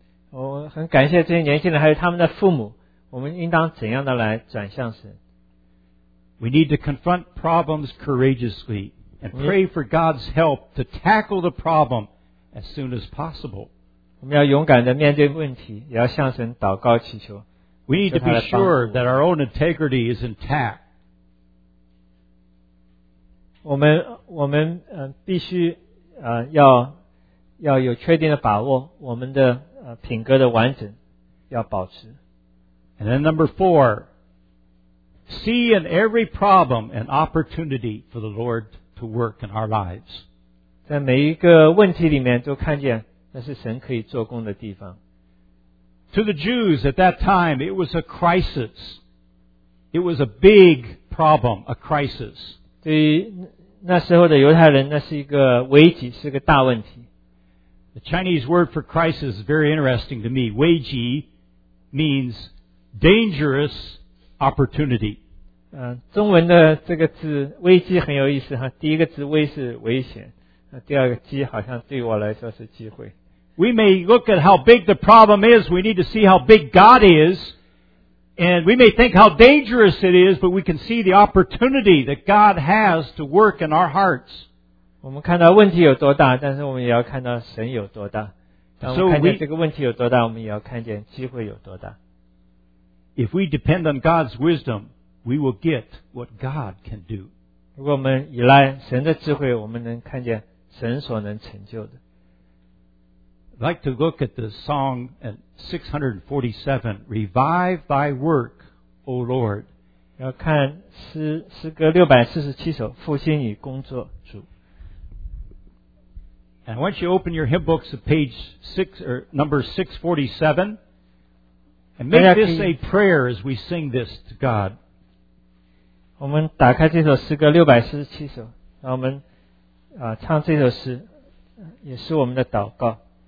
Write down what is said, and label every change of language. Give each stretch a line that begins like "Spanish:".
Chinese: 我很感谢这些年轻人还有他们的父母。我们应当怎样的来转向神？
English: We need to confront problems courageously and pray for God's help to tackle the problem as soon as possible.
Chinese: 我们要勇敢的面对问题，也要向神祷告祈求。
English: We need to be sure that our own integrity is intact.
Chinese: 我们必须要有确定的把握，我们的品格的完整要保持。
English: And then number four, see in every problem an opportunity for the Lord to work in our lives.
Chinese: 在每一个问题里面都看见那是神可以做工的地方。
English: To the Jews at that time, it was a crisis. It was a big problem, a crisis.
Chinese: 对于那时候的犹太人，那是一个危机，是个大问题。
English: The Chinese word for crisis is very interesting to me. 危机 means... Dangerous opportunity.
Chinese: 中文的这个字危机很有意思哈。第一个字危是危险，第二个机好像对我来说是机会。
English: We may look at how big the problem is. We need to see how big God is, and we may think how dangerous it is, but we can see the opportunity that God has to work in our hearts.
Chinese: 我们看到问题有多大，但是我们也要看到神有多大。当我们看见这个问题有多大，我们也要看见机会有多大。
English: If we depend on God's wisdom, we will get what God can do.
Chinese: 如果我们依赖神的智慧，我们能看见神所能成就的。
English: I'd like to look at the song at 647, Revive Thy Work, O Lord.
Chinese: 要看诗歌647首，复兴你工作，主。
English: And I want you to open your hymn books at page 6, or number 647. And make this a prayer as we sing this to God.
Chinese: 我们打开这首诗歌647首，然后我们唱这首诗，也是我们的祷告。